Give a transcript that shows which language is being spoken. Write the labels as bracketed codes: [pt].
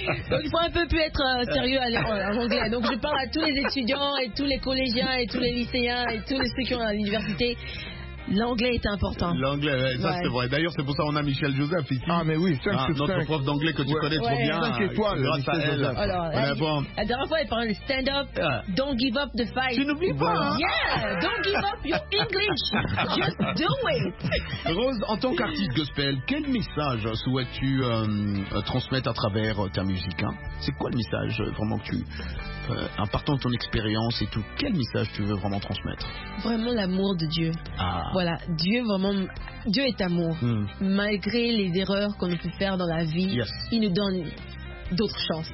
[fr] Donc, il faut un peu plus être sérieux en anglais. Donc, je parle à tous les étudiants et tous les collégiens et tous les lycéens et tous les ceux qui ont à l'université. L'anglais est important. L'anglais, ouais, ça c'est vrai. D'ailleurs, c'est pour ça qu'on a Michel Joseph ici. Ah, mais oui, c'est notre prof d'anglais que tu connais trop bien. Ouais, 5 étoiles, grâce à elle. Alors, la dernière fois, elle parlait de stand-up. [en] Yeah. Don't give up the fight. [fr] Tu n'oublies pas. [en] Yeah, don't give up your English. Just do it. [fr] Rose, en tant qu'artiste gospel, quel message souhaites-tu transmettre à travers ta musique, hein? C'est quoi le message vraiment que tu... en partant de ton expérience et tout, quel message tu veux vraiment transmettre? Vraiment l'amour de Dieu. Ah. Voilà, Dieu vraiment, Dieu est amour. Mm. Malgré les erreurs qu'on peut faire dans la vie, il nous donne d'autres chances.